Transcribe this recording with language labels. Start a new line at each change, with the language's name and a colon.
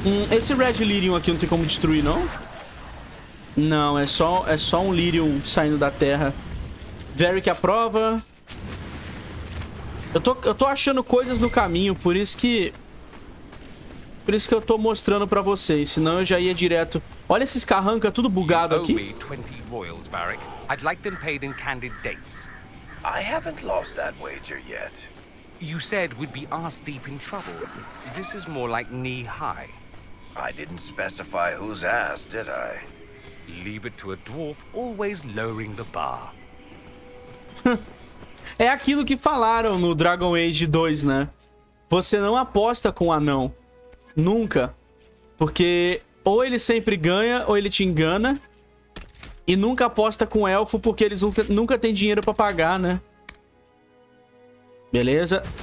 Portuguese: Esse Red Lirium aqui não tem como destruir, não? Não, é só um Lirium saindo da terra. Varric aprova. Eu tô achando coisas no caminho, por isso que... por isso que eu tô mostrando pra vocês, senão eu já ia direto. Olha esses carranca tudo bugado aqui. Você me deu 20 royals, Varric.
English: I'd like them paid in candid dates. I haven't lost that wager yet. You said we'd be arse deep in trouble. This is more like knee high. I didn't specify whose ass, did I? Leave it to a dwarf always lowering the bar.
Portuguese: É aquilo que falaram no Dragon Age 2, né? Você não aposta com um anão. Nunca. Porque ou ele sempre ganha ou ele te engana. E nunca aposta com um elfo porque eles nunca têm dinheiro pra pagar, né? Beleza.